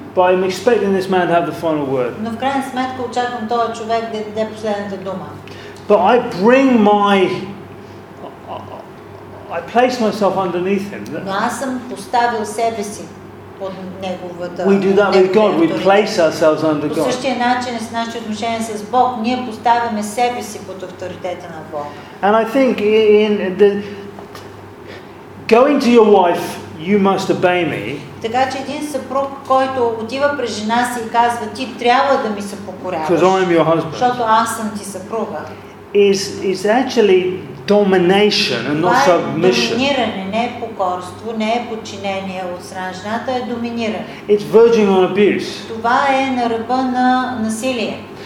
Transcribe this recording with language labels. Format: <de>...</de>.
<en>But I'm expecting this man to have the final word.</en> <bg>Но в крайна сметка очаквам този човек да даде последната дума.</bg> <en>But I bring my, I place myself underneath him.</en> <bg>Но аз съм поставил себе си под неговата.</bg> <en>We do that with God. We place ourselves under God.</en> <bg>По същия начин с нашите отношения с Бог, ние поставяме себе си под авторитета на Бог.</bg> <en>And I think in the going to your wife, you must obey me.</en> <bg>Така че един съпруг, който отива при жена си и казва, ти трябва да ми се покоряваш.</bg> <en>Because I am your husband.</en> <bg>Защото аз съм ти съпруга.</bg> <en>Is actually domination and not submission.</en> <bg>Доминиране, не е покорство, не е подчинение от страна жената, е доминиране.</bg> <en>It's verging on abuse.</en> <bg>Това е на ръба на насилие.</bg>